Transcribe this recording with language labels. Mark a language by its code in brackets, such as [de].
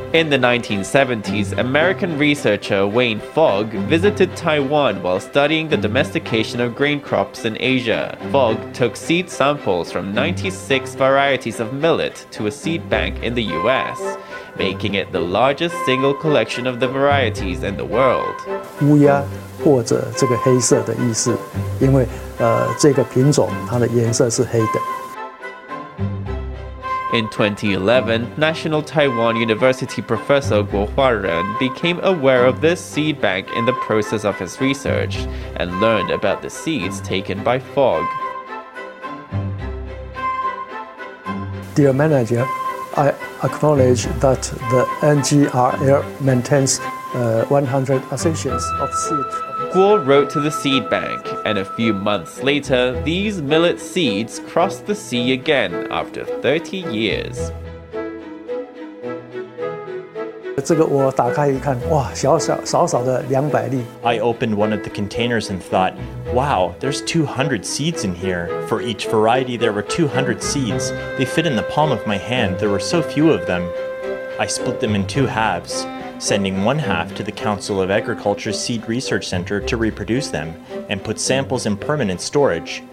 [en] In the 1970s, American researcher Wayne Fogg visited Taiwan while studying the domestication of grain crops in Asia. Fogg took seed samples from 96 varieties of millet to a seed bank in the US, making it the largest single collection of the varieties in the world. [zh] 乌鸦或者这个黑色的意思, 因为, 这个品种, 它的颜色是黑的。 [en] In 2011, National Taiwan University professor Guo Huaren became aware of this seed bank in the process of his research and learned about the seeds taken by Fogg. Dear manager, I acknowledge that the NGRL maintains 100 accessions of seed. Guo wrote to the seed bank, and a few months later, these millet seeds crossed the sea again after 30 years. [zh] 这个我打开一看, 哇, 小小的, 200粒。 [en] I opened one of the containers and thought, wow, there's 200 seeds in here. For each variety, there were 200 seeds. They fit in the palm of my hand. There were so few of them. I split them in two halves, sending one half to the Council of Agriculture's Seed Research Center to reproduce them and put samples in permanent storage.